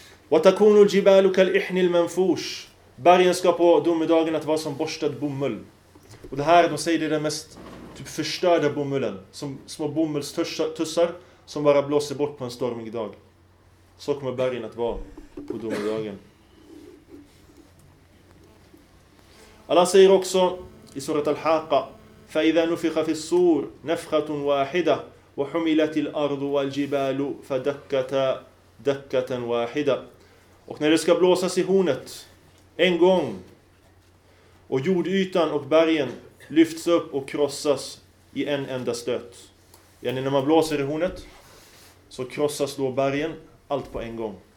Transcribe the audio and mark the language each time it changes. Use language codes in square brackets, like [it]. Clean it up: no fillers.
[ar] وَتَكُونُ الْجِبَالُ كَالْإِحْنِ الْمَنْفُوشِ. [sv] Bergen ska på domedagen att vara som borstad bomull. Och det här, de säger, det är den mest typ förstörda bomullen. Som små bomullstussar som bara blåser bort på en stormig dag. Så kommer bergen att vara på domedagen. Allah säger också i surat al-Haqqa, [ar] فَإِذَا نُفِخَ فِي الصُّورِ نَفْخَةٌ وَاحِدَةٌ وَحُمِلَتِ الْأَرْضُ وَالْجِبَالُ فَدَكَّتَ دَكَّةً وَاحِدًا. [sv] Och när det ska blåsas i hornet en gång och jordytan och bergen lyfts upp och krossas i en enda stöt. Ja, när man blåser i hornet så krossas då bergen allt på en gång.